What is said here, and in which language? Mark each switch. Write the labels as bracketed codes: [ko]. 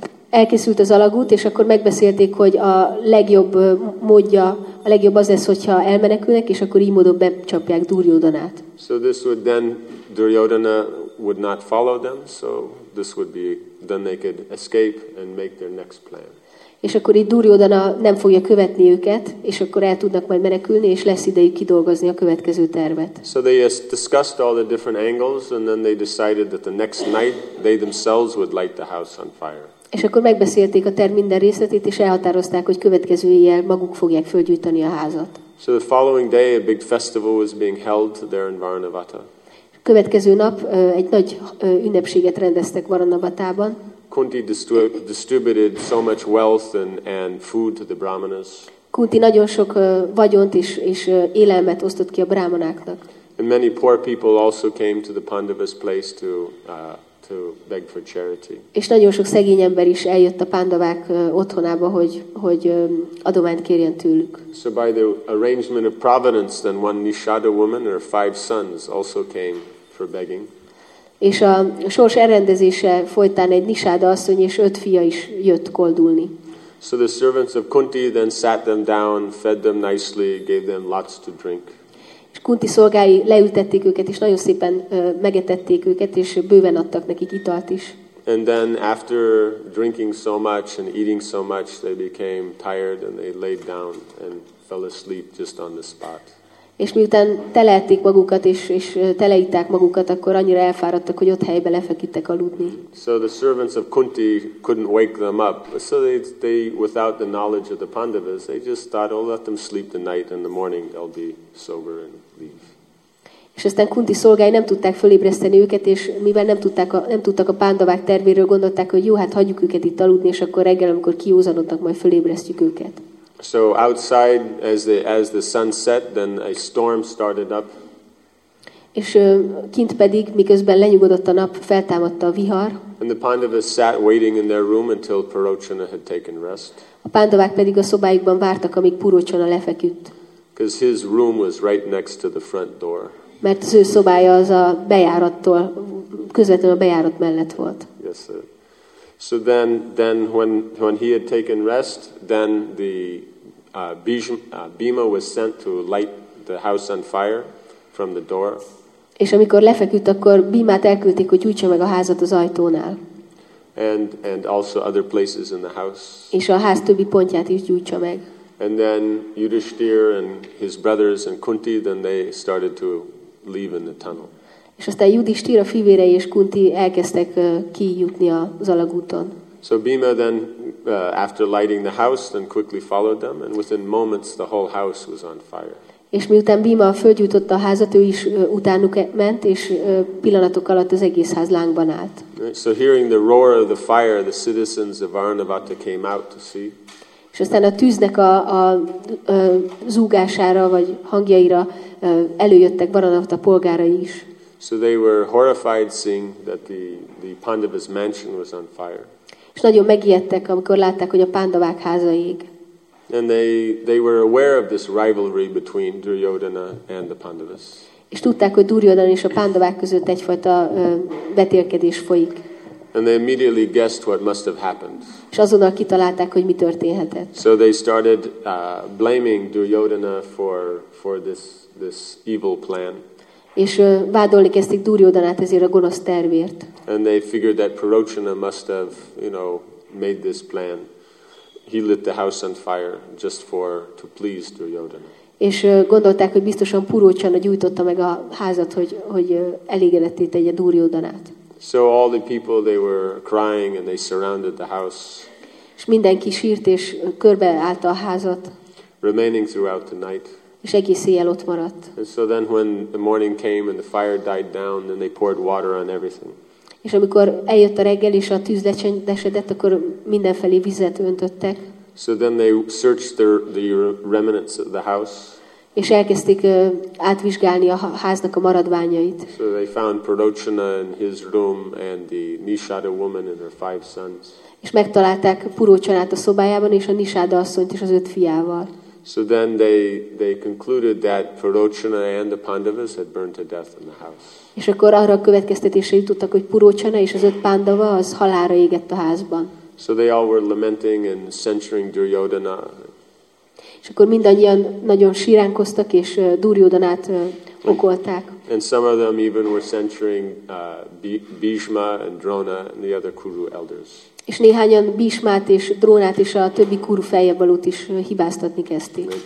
[hu] Elkészült az alagút, és akkor megbeszélték, hogy a legjobb módja, a legjobb az lesz, hogyha elmenekülnek, és akkor így módon becsapják Duryodhanát. [en] So this would then Duryodhana would not follow them, so this would be then they could escape and make their next plan. [hu] És akkor így Duryodhana nem fogja követni őket, és akkor el tudnak majd menekülni, és lesz idejük kidolgozni a következő tervet. [en] So they discussed all the different angles, and then they decided that the next night they themselves would light the house on fire. [hu] És akkor megbeszélték a terv minden részletét, és elhatározták, hogy következő éjjel maguk fogják fölgyújtani a házat. [en] So the following day a big festival was being held there in Varnavata. [hu] Következő nap egy nagy ünnepséget rendeztek Varanabatában. [en] Kunti distributed so much wealth and food to the brahmanas. [hu] Kunti nagyon sok vagyont és élelmet osztott ki a brahmanáknak. [en] And many poor people also came to the Pandavas place to beg for charity. [hu] És nagyon sok szegény ember is eljött a Pandavák otthonába, hogy adományt kérjen tőlük. [en] So by the arrangement of providence, then one Nishada woman and her five sons also came for begging. [hu] És a sors elrendezése folytán egy Nishada asszony és öt fia is jött koldulni. [en] So the servants of Kunti then sat them down, fed them nicely, gave them lots to drink. [hu] És Kunti szolgái leültették őket, és nagyon szépen megetették őket, és bőven adtak nekik italt is. [en] And then after drinking so much and eating so much, they became tired and they laid down and fell asleep just on the spot. [hu] És miután teleették magukat és teleíták magukat, akkor annyira elfáradtak, hogy ott helyben lefeküdtek aludni. [en] So the servants of Kunti couldn't wake them up. So they without the knowledge of the Pandavas, they just thought, oh, let them sleep the night and the morning they'll be sober and leave. [hu] És aztán Kunti szolgái nem tudták fölébreszteni őket, és mivel nem tudtak a Pandavák tervéről, gondolták, hogy jó, hát hagyjuk őket itt aludni, és akkor reggel, amikor kiózanodnak, majd fölébresztjük őket. [en] So outside, as the sun set, then a storm started up. [hu] És kint pedig, miközben lenyugodott a nap, feltámadta a vihar. [en] And the Pandavas sat waiting in their room until Purochana had taken rest. [hu] A Pandavák pedig a szobáikban vártak, amíg Purochana lefeküdt. [en] Because his room was right next to the front door. [hu] Mert az ő szobája az a bejárattól, közvetlenül a bejárat mellett volt. [en] Yes, sir. So then when he had taken rest, then the Bhima was sent to light the house on fire from the door. [hu] És amikor lefeküdt, akkor Bhimát elküldték, hogy gyújtsa meg a házat az ajtónál. [en] And also other places in the house. [hu] És a ház többi pontját is gyújtsa meg. [en] And then Yudhishthir and his brothers and Kunti, then they started to leave in the tunnel. [hu] És aztán Yudhishthir, a fivérei és Kunti elkezdtek kijutni az alagúton. [en] So Bhima then, after lighting the house, then quickly followed them, and within moments the whole house was on fire. [hu] És miután Bhima fölgyújtotta a házat, ő is utánuk ment, és pillanatok alatt az egész ház lángban állt. [en] So hearing the roar of the fire, the citizens of Varanavata came out to see. [hu] És aztán a tűznek a zúgására, vagy hangjaira előjöttek Varanavata polgárai is. [en] So they were horrified seeing that the Pandavas mansion was on fire. [hu] És nagyon megijedtek, amikor látták, hogy a Pandavák háza ég. [en] And they were aware of this rivalry between Duryodhana and the Pandavas. [hu] És tudták, hogy Duryodhana és a Pandavák között egyfajta vetélkedés folyik. [en] And they immediately guessed what must have happened. [hu] És azonnal kitalálták, hogy mi történhetett. [en] So they started blaming Duryodhana for this evil plan. [hu] És vádolni kezdték Duryodhanát ezért a gonosz tervért. [en] And they figured that Purochana must have, made this plan. He lit the house on fire just to please Duryodhana. [hu] És gondolták, hogy biztosan Purochana gyújtotta meg a házat, hogy elégedetté tegye Duryodhanát. [en] So all the people, they were crying and they surrounded the house. [hu] És mindenki sírt és körbeállta a házat. [en] Remaining throughout the night. [hu] És egész éjjel ott maradt. [en] And so then when the morning came and the fire died down, then they poured water on everything. [hu] És amikor eljött a reggel és a tűz lecsendesedett, akkor mindenfelé vizet öntöttek. [en] So then they searched the remnants of the house. [hu] És elkezdték átvizsgálni a háznak a maradványait. [en] So they found Purochana in his room and the Nishada woman and her five sons. [hu] És megtalálták Purochanát a szobájában és a Nishada asszonyt és az öt fiával. [en] So then they concluded that Purochana and the Pandavas had burned to death in the house. [hu] És akkor arra a következtetésre jutottak, hogy Purochana és az öt Pandava az halálra égett a házban. [en] So they all were lamenting and censuring Duryodhana. [hu] És akkor mindannyian nagyon síránkoztak és Duryodhanát okolták. [en] And some of them even were censuring Bhishma and Drona and the other Kuru elders. [hu] És néhányan Bhishmát és Drónát és a többi kuru feljebb alót is hibáztatni kezdték.